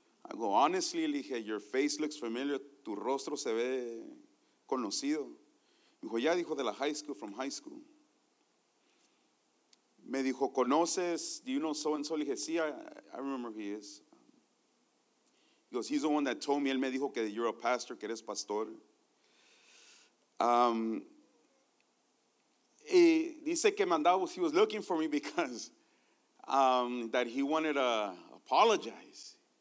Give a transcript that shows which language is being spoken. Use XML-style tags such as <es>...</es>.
<en>I go, honestly,</en> <es>le dije, your face looks familiar, tu rostro se ve conocido. Dijo de la</es> <en>high school, from high school.</en> <es>Me dijo, ¿conoces?</es> <en>Do you know so and so?</en> <es>Le dije, sí,</es> <en>I remember who he is. He goes, he's the one that told me.</en> <es>Él me dijo que</es> <en>you're a pastor,</en> <es>que eres pastor. Y dice que mandaba,</es> <en>he was looking for me because that he wanted to apologize.</en>